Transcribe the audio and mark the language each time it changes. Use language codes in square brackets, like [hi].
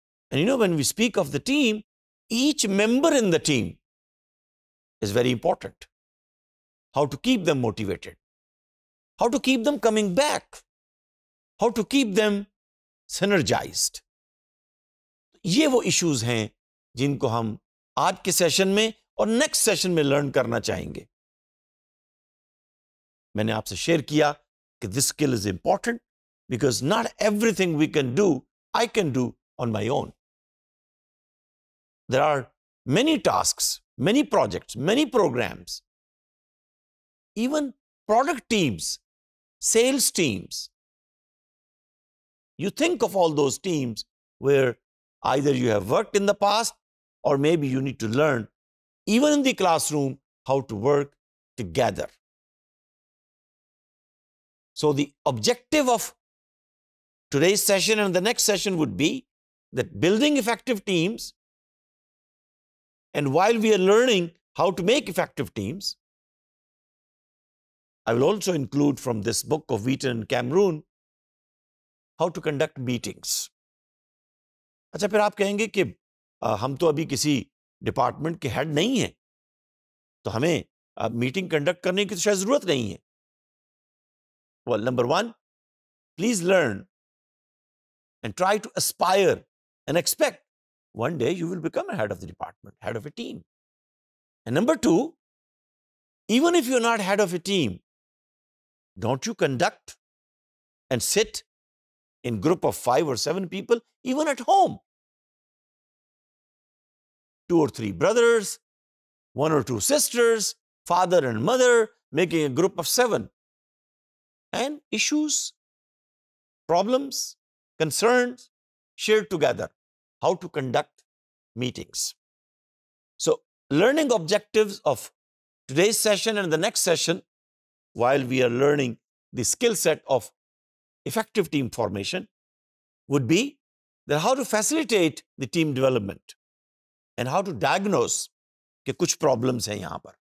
[en] And you know, when we speak of the team, each member in the team is very important. How to keep them motivated? How to keep them coming back? How to keep them synergized? [hi] ये वो issues हैं जिनको हम आज के session में और next session में लर्न करना चाहेंगे. [en] मैंने आपसे शेयर किया कि this skill is important because not everything we can do I can do on my own. There are many tasks, many projects, many programs, even product teams, sales teams. You think of all those teams where either you have worked in the past or maybe you need to learn even in the classroom how to work together. So the objective of today's session and the next session would be that building effective teams, and while we are learning how to make effective teams, I will also include from this book of Wheaton and Cameron how to conduct meetings. [hi] अच्छा, फिर आप कहेंगे कि हम तो अभी किसी department के हेड नहीं हैं, तो हमें मीटिंग कंडक्ट करने की तो शायद जरूरत नहीं है. [en] Well, number one, please learn and try to aspire and expect one day you will become a head of the department, head of a team. And number two, even if you are not head of a team, don't you conduct and sit in group of 5 or 7 people, even at home. 2 or 3 brothers, 1 or 2 sisters, father and mother, making a group of 7. And issues, problems, concerns, shared together. How to conduct meetings. So, learning objectives of today's session and the next session, while we are learning the skill set of effective team formation, would be that how to facilitate the team development and how to diagnose [hi] ke kuch problems hain yahan par.